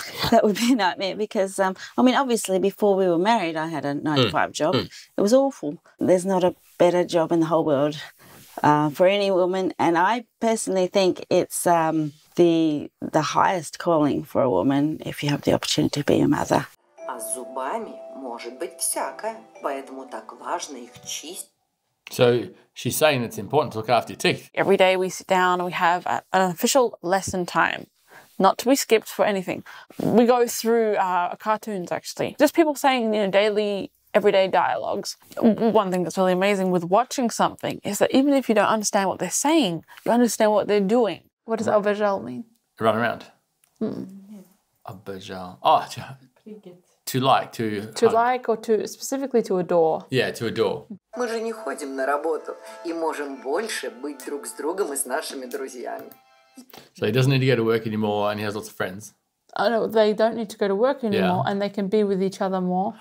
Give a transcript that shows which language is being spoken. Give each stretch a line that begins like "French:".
English: That would be a nightmare because, I mean, obviously before we were married, I had a 9-to-5 job. Mm. It was awful. There's not a better job in the whole world for any woman. And I personally think it's the highest calling for a woman if you have the opportunity to be a mother.
Ukrainian: А з зубами може бути всяке,
Russian: поэтому
Ukrainian: так важно їх чистити.
English: So she's saying it's important to look after your teeth. Every day we sit down and we have an official lesson time, not to be skipped for anything. We go through cartoons, actually. Just people saying, you know, daily, everyday dialogues. One thing that's really amazing with watching something is that even if you don't understand what they're saying, you understand what they're doing. What does aubergel mean? Run around. Aubergel. Oh, to like, to... To like or to specifically to adore. Yeah, to adore.
Ukrainian: Ми же не ходимо на роботу і можемо більше бути друг з другом і з нашими друзями.
English: So he doesn't need to go to work anymore and he has lots of friends. Oh, no, they don't need to go to work anymore yeah. And they can be with each other more.